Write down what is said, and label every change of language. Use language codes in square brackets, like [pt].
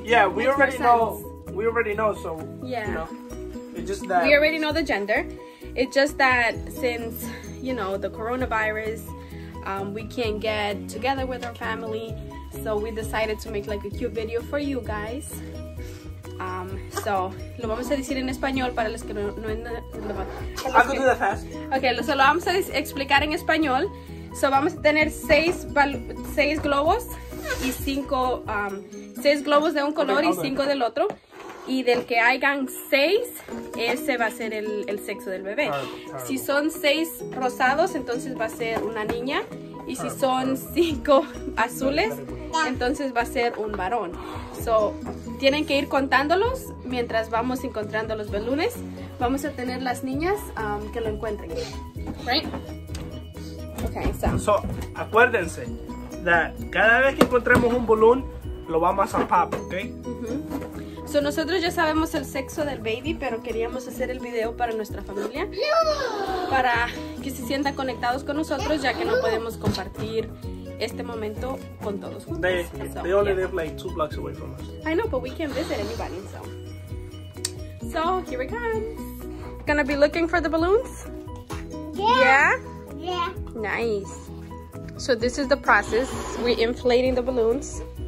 [en] Yeah, we already know. We already know. So yeah, you know, it's just that we already know the gender. It's just that since you know the coronavirus, we can't get together with our family, so we decided to make like a cute video for you guys. [es] So lo vamos a decir en español para los que no entienden. Okay, lo vamos a explicar en español. So vamos a tener 6 globos y 5 6 globos de un color y 5 del otro, y del que hayan 6, ese va a ser el sexo del bebé. Si son 6 rosados, entonces va a ser una niña. Y si son 5 azules, entonces va a ser un varón. So, tienen que ir contándolos mientras vamos encontrando los balones. Vamos a tener las niñas que lo encuentren. [en] Right? Okay, so. [es] So, acuérdense that cada vez que encontremos un balón, lo vamos a pop, okay? Mm-hmm. So nosotros ya sabemos el sexo del baby, pero queríamos hacer el video para nuestra familia, para que se sientan conectados con nosotros, ya que no podemos compartir este momento con todos juntos. [en] They only live like 2 blocks away from us. I know, but we can't visit anybody, so. So here we come. Gonna be looking for the balloons? Yeah. Nice. So this is the process. We're inflating the balloons.